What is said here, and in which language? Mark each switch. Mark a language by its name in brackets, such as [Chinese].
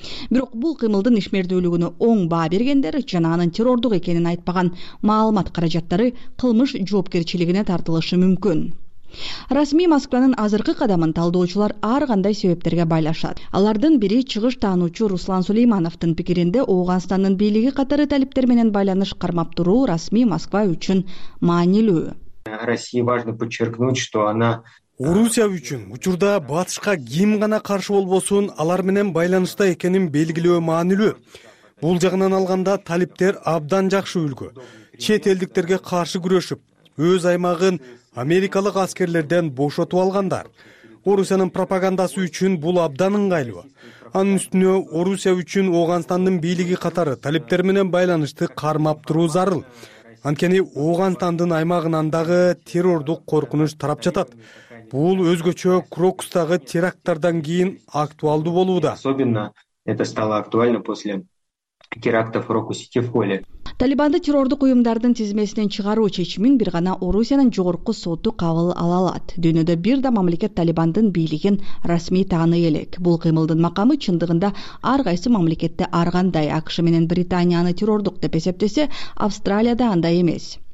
[Kyrgyz] Бирок бул кыймылдын ишмердүүлүгүнө оң баа бергендер жана анын террордук экенин айтпаган маалымат каражаттары кылмыш жоопкерчилигине тартылышы мүмкүн. Расмий Москванын азыркы кадамын талдоочулар ар кандай себептерге байлашат. Алардын бири чыгыш таануучу Руслан Сулеймановдун пикиринде Ооганстандын бийлиги катары талиптер менен байланыш кармап туруу расмий Москва үчүн маанилүү. [Russian] России важно подчеркнуть, что она [Kyrgyz] Орусия үчүн учурда батышка ким гана каршы болбосун алар менен байланышта экенин белгилөө маанилүү. Бул жагынан алганда талиптер абдан жакшы үлгү. Чет элдиктерге каршы күрөшүп, өз аймагын америкалык аскерлерден бошотуп алгандар. Орусиянын пропагандасы үчүн бул абдан ыңгайлуу. Анын үстүнө Орусия үчүн Оогонстандын бийлиги катары талиптер менен байланышты кармап туруу зарыл. Анткени Оогонстандын аймагынан дагы террордук коркунуч тарап жатат. Бул өзгөчө Крокустагы терактардан кийин актуалдуу болууда. [Russian] Особенно это стало актуально после терактов в Крокусе и в Холе. [Kyrgyz] Талибанды террордук уюмдардын тизмесинен чыгаруу чечимин бир гана Орусиянын жогорку соту кабыл ала алат. Дүйнөдө бир да мамлекет Талибандын бийлигин расмий тааный элек. Бул кыймылдын макамы чындыгында ар кайсы мамлекетте ар кандай. АКШ менен Британияны террордук деп эсептесе, Австралияда андай эмес.